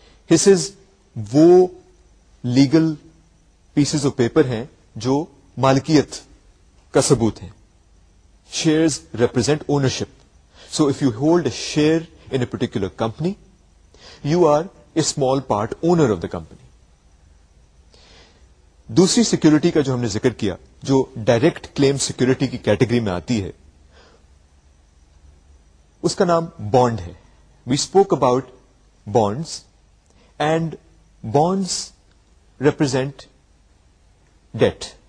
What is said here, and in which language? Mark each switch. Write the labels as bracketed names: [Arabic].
[Urdu] حصص وہ legal pieces of paper ہیں جو مالکیت کا ثبوت ہیں. [English] Shares represent ownership. So if you hold a share in a particular company you are a small part owner of the company. [Urdu] دوسری security کا جو ہم نے ذکر کیا جو ڈائریکٹ کلیم سیکیورٹی کی کیٹیگری میں آتی ہے اس کا نام بانڈ ہے. [English] We spoke about bonds and bonds represent debt.